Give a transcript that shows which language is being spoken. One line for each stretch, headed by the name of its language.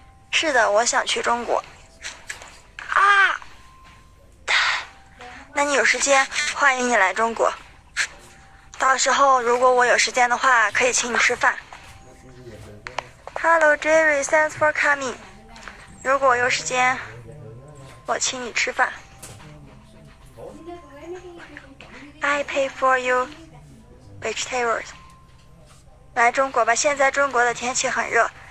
Chinese: 是的，我想去中国。那你有时间，欢迎你来中国。到时候如果我有时间的话，可以请你吃饭。
English: Hello, Jerry, thanks for coming.
Chinese: 如果我有时间，我请你吃饭。
English: I pay for you vegetables.
Chinese: 来中国吧，现在中国的天气很热。